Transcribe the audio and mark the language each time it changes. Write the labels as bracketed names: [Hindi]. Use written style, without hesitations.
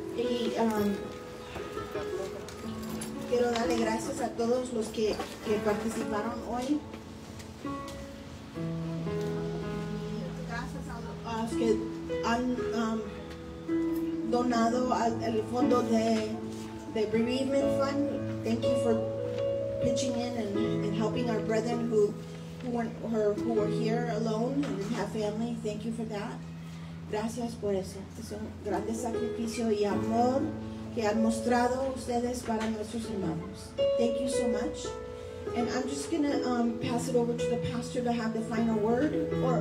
[Spanish] Y quiero darle gracias a todos los que participaron hoy. Gracias a los que han donado al fondo de Bereavement Fund. [English] Thank you for pitching in and helping our brethren who were here alone and didn't have family. Thank you for that. [Spanish] Gracias por eso. Es un gran sacrificio y amor que han mostrado ustedes para nuestros hermanos. [English] Thank you so much. And I'm just gonna pass it over to the pastor to have the final word.